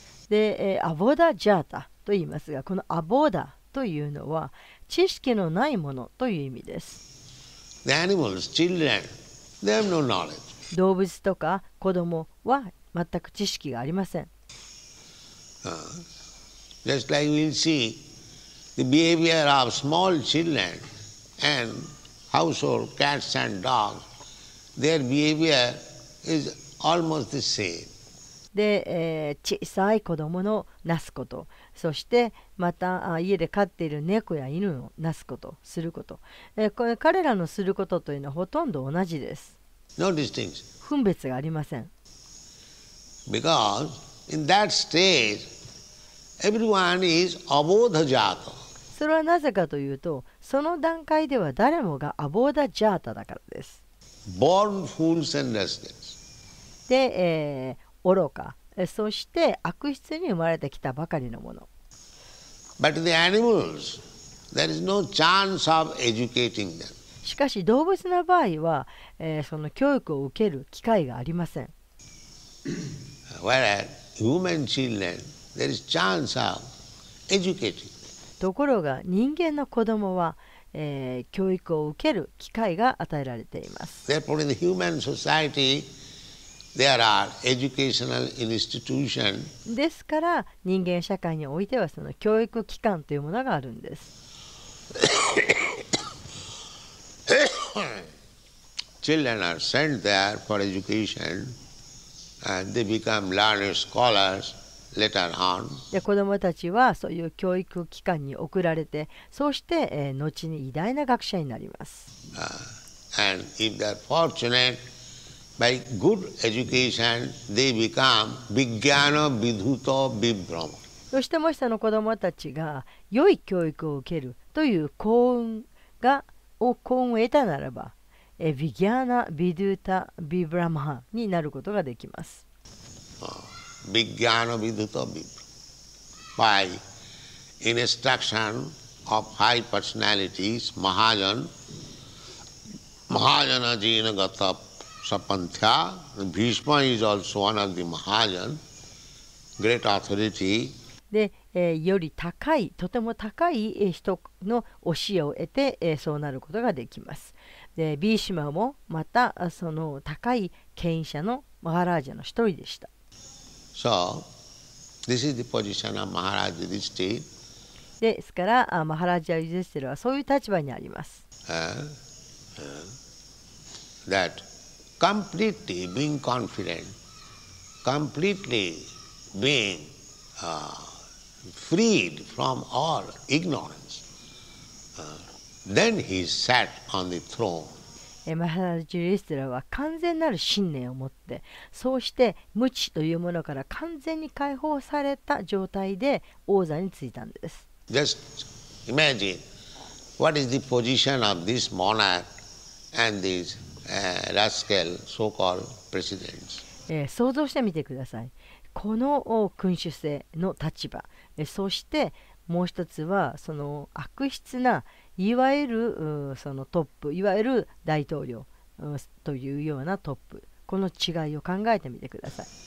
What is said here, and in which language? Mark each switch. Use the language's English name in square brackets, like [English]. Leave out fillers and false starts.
[Japanese] で、アボダジャータと言いますが、このアボダというのは知識のないものという意味です。 [English] The animals, children, they have no knowledge. [Japanese] 動物とか子供は全く知識がありません。 [English] Just like we'll see the behavior of small children and household cats and dogs, their behavior is almost the same. [Japanese] で、小さい子供のなすこと、そしてまた家で飼っている猫や犬のなすこと、すること、これ彼らのすることというのはほとんど同じです。 [English] No distinction. [Japanese] 分別がありません。 [English] Because in that stage, everyone is abodha jata. [Japanese] それはなぜかというと、その段階では誰もがアボーダジャータだからです。 [English] Born fools and restless. [Japanese] で、愚か、そして悪質に生まれてきたばかりのもの。 [English] But the animals, there is no chance of educating them. [Japanese] しかし動物の場合は、その教育を受ける機会がありません。 [English] Whereas human children, there is chance of educating them. [Japanese] ところが人間の子供は、教育を受ける機会が与えられています。 [English] Therefore, in the human society,There are educational institutions. [Japanese] ですから人間社会においてはその教育機関というものがあるんです。 [English] Children are sent there for education, and they become learned scholars later on. [Japanese] で、子どもたちはそういう教育機関に送られて、そうして、後に偉大な学者になります。 [English] And if they're fortunate. By good education, they become vijnana vidhuta vibhrama. [Japanese] そしてもしその子どもたちが良い教育を受けるという幸運を得たならば、 [Sanskrit] vijnana vidhuta vibhrama [Japanese] になることができます。 [English] Vijnana vidhuta vibhrama. By instruction of high personalities, [Sanskrit] Mahajana jina gata. [English] Sapanthya, Bhishma is also one of the Mahajan, great authority. [Japanese] で、より高い、とても高い人の教えを得て、そうなることができます。で、ビーシュマもまたその高い権威者のマハラージャの一人でした。 [English] So, this is the position of Maharaj Yudhishthira. [Japanese] ですから、マハラージャ・ユディスティラはそういう立場にあります。 [English] That. Completely being confident, completely being freed from all ignorance, then he sat on the throne. [Japanese] マハラジュリストラは完全なる信念を持って、そうして無知というものから完全に解放された状態で王座に就いたんです。 [English] Just imagine what is the position of this monarch and these rascal so-called presidents. [Japanese] 想像してみてください。この君主制の立場、そしてもう一つはその悪質ないわゆるそのトップ、いわゆる大統領というようなトップ、この違いを考えてみてください。